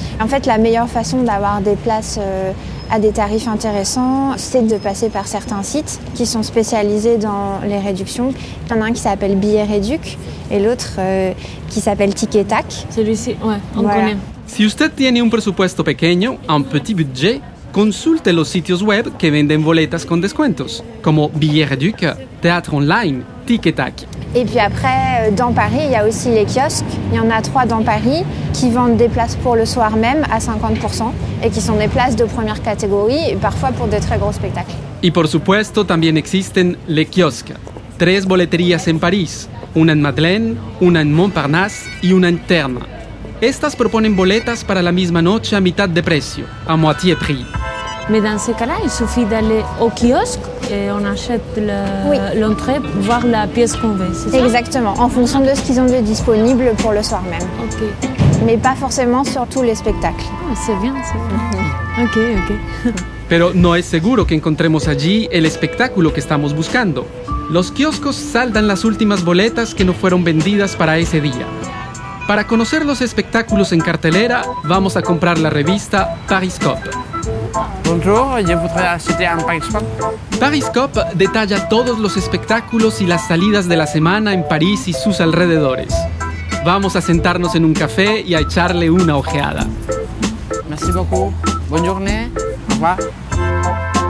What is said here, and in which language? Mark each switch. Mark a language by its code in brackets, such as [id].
[fr] En fait, la meilleure façon d'avoir des places à des tarifs intéressants, c'est de passer par certains sites qui sont spécialisés dans les réductions. Il y en a un qui s'appelle Billet Réduc et l'autre qui s'appelle Ticket Tac. Celui-ci, ouais, on connaît. [es] Si usted tiene un presupuesto pequeño, [fr] un petit budget, [es] consulte los sitios web que venden boletas con descuentos, como Billet Réduc, Théâtre Online, Ticket Tac. [fr] Et puis après, dans Paris, il y a aussi les kiosques. Il y en a 3 dans Paris qui vendent des places pour le soir même à 50% et qui sont des places de première catégorie, parfois pour de très gros spectacles. [es] Y por supuesto, también existen les kiosques. 3 boleterías en París, una en Madeleine, una en Montparnasse y una en Terme. Estas proponen boletas para la misma noche a mitad de precio, [fr] a moitié prix. Mais dans ce cas-là, il suffit d'aller au kiosque et on achète l'entrée pour voir la pièce qu'on veut, c'est ça ? Exactement, en fonction de ce qu'ils ont de disponible pour le soir même. Ok. Mais pas forcément sur tous les spectacles. Oh, c'est bien, c'est bien. Ok, ok. [es] Pero no es seguro que encontremos allí el espectáculo que estamos buscando. Los kioscos saldan las últimas boletas que no fueron vendidas para ese día. Para conocer los espectáculos en cartelera, vamos a comprar la revista Pariscope. [fr] Bonjour, je voudrais acheter un Pariscope. [es] Pariscope detalla todos los espectáculos y las salidas de la semana en París y sus alrededores. Vamos a sentarnos en un café y a echarle una ojeada. [fr] Merci beaucoup. Bonne journée. Au revoir.